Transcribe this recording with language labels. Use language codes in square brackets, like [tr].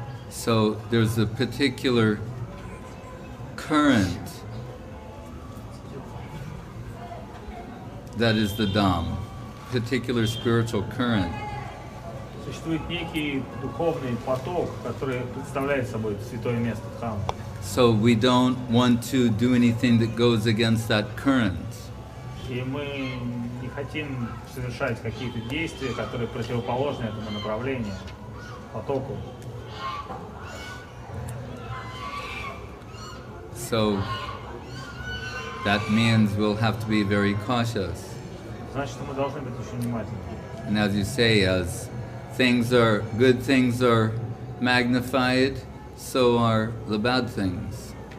[en] So there's a particular current that is the Dham, particular spiritual current. [ru] Существует некий духовный поток, который представляет собой святое место, храм. [en] So we don't want to do anything that goes against that current. [ru] И мы не хотим совершать какие-то действия, которые противоположны этому направлению, потоку. [en] So that means we'll have to be very cautious. [ru] Значит, мы должны быть очень внимательными. [en] And as you say, as things are, good things are magnified, so are the bad things.